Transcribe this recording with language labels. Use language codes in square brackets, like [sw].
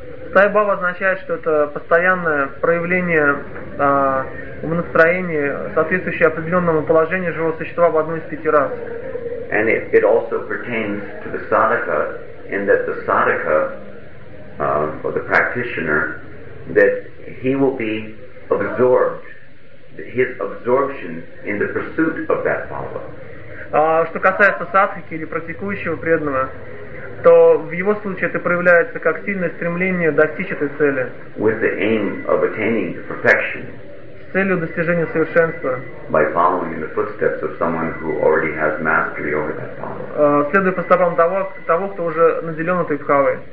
[ru] Стайбава означает, что это постоянное проявление умонастроения, соответствующее определенному положению живого существа в одной из пяти раз. [en] And it also pertains to the sadhaka, in that the sadhaka, or the practitioner, that he will be absorbed, his absorption in the pursuit of that bhava. [ru] Что касается садхики или практикующего преданного, то в его случае это проявляется как сильное стремление достичь этой цели. [en] With the aim of attaining perfection. [ru] С целью достижения совершенства. [en] By following in the footsteps of someone who already has mastery over that path. [ru] Следуя по стопам того, кто уже наделен этой бхавой.